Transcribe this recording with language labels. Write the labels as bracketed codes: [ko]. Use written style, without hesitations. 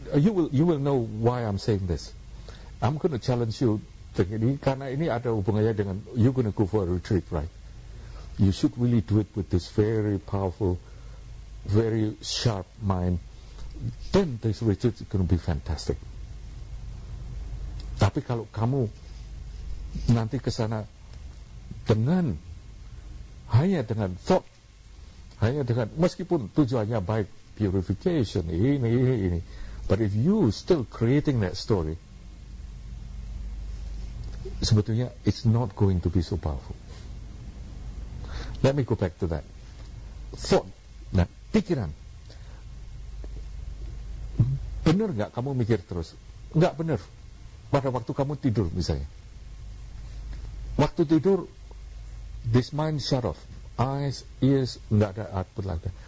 [en] You will know why I'm saying this. I'm going to challenge you [id] ini, karena ini ada hubungannya dengan [en] you're going to go for a retreat, right? You should really do it with this very powerful, very sharp mind. Then this retreat is going to be fantastic. [id] Tapi kalau kamu nanti kesana dengan hanya dengan thought, hanya dengan meskipun tujuannya baik, purification, ini. [en] But if you still creating that story, [id] sebetulnya [en] it's not going to be so powerful. Let me go back to that. Thought, [id] nah, pikiran. benar gak kamu mikir terus? Gak benar. Pada waktu kamu tidur misalnya, waktu tidur [en] this mind shut off, eyes, ears, [id] gak ada [en] output like that.